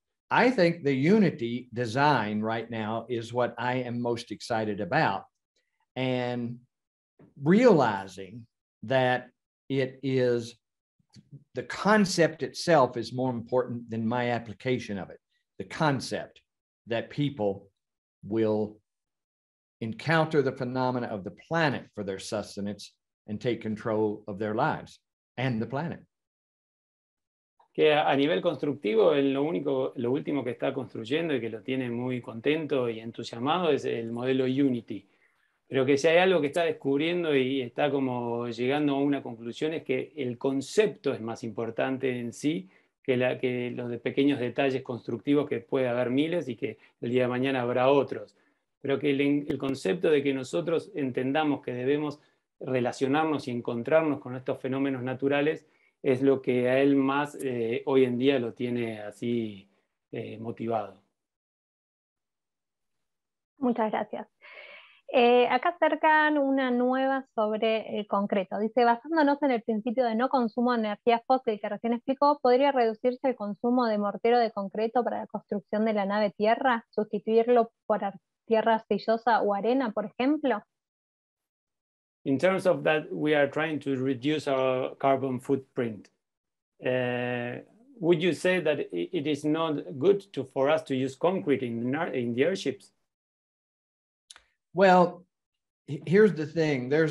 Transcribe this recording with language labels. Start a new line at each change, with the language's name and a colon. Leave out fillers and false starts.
English: I think the unity design right now is what I am most excited about, and realizing that it is the concept itself is more important than my application of it. The concept that people will encounter the phenomena of the planet for their sustenance and take control of their lives and the planet.
Spanish: Que a nivel constructivo, lo último que está construyendo y que lo tiene muy contento y entusiasmado es el modelo Unity. Pero que si hay algo que está descubriendo y está como llegando a una conclusión es que el concepto es más importante en sí que los de pequeños detalles constructivos, que puede haber miles y que el día de mañana habrá otros. Pero que el concepto de que nosotros entendamos que debemos relacionarnos y encontrarnos con estos fenómenos naturales es lo que a él más hoy en día lo tiene así motivado. Muchas gracias. Acá acercan una nueva sobre el concreto. Dice, basándonos en el principio de no consumo de energía fósil que recién explicó, ¿podría reducirse el consumo de mortero de concreto para la construcción de la nave tierra? ¿Sustituirlo por tierra arcillosa o arena, por ejemplo?
English: In terms of that, we are trying to reduce our carbon footprint. Would you say that it is not good for us to use concrete in the airships? Well, here's the thing.